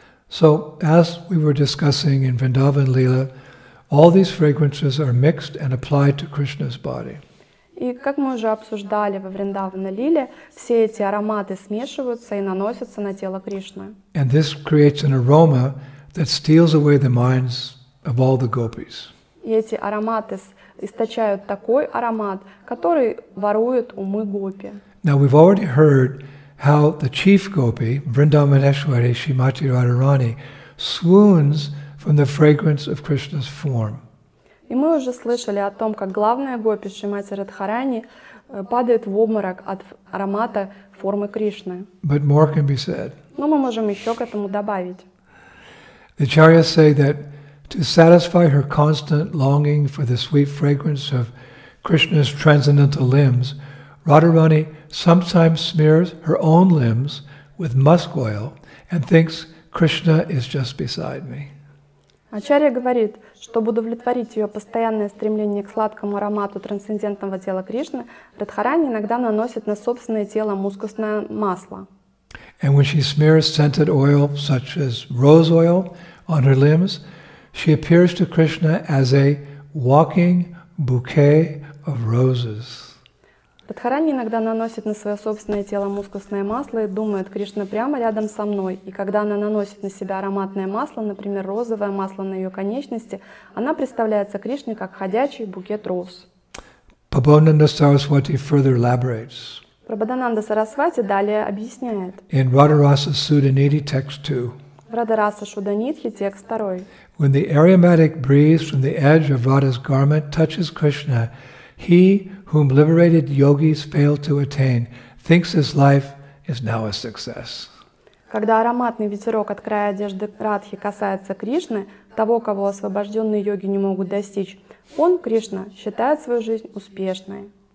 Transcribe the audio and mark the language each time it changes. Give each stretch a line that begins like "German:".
English: So, as we were discussing in Vrindavan Lila, all these fragrances are mixed and applied to Krishna's body.
Russian: И как мы уже обсуждали во Вриндавана Лиле, все эти ароматы смешиваются и наносятся на тело Кришны.
English: And this creates an aroma that steals away the minds of all the gopis.
Russian: И эти ароматы источают такой аромат, который ворует умы гопи.
English: Now we've already heard how the chief gopi, Vrindavaneshwari Srimati Radharani, swoons from the fragrance of Krishna's form.
Russian: И мы уже слышали о том, как главная гопи Шримати Радхарани падает в обморок от аромата формы Кришны.
English: But more can be said.
Russian: Но мы можем еще к этому добавить.
English: The acharyas say that to satisfy her constant longing for the sweet fragrance of Krishna's transcendental limbs, Radharani sometimes smears her own limbs with musk oil and thinks Krishna is just beside me.
Russian: Ачарья говорит, чтобы удовлетворить ее постоянное стремление к сладкому аромату трансцендентного тела Кришны, Радхарани иногда наносит на собственное тело мускусное масло.
English: And when she smears scented oil, such as rose oil, on her limbs, she appears to Krishna as a walking bouquet of roses.
Russian: Радхарани иногда наносит на свое собственное тело мускусное масло и думает, Кришна прямо рядом со мной. И когда она наносит на себя ароматное масло, например, розовое масло на ее конечности, она представляется Кришне как ходячий букет роз.
English: Пабхананда Сарасвати further elaborates.
Russian: Прабхадананда Сарасвати далее объясняет.
English: In Radharasa Sudaniti, text 2.
Russian: В Радхарасе Шуданитхи, текст 2.
English: When the aromatic breeze from the edge of Radha's garment touches Krishna, he, whom liberated yogis fail to attain, thinks his life is now a success.
Russian: Когда ароматный ветерок от края одежды Радхи касается Кришны, того, кого освобожденные йоги не могут достичь, он, Кришна, считает свою жизнь успешной.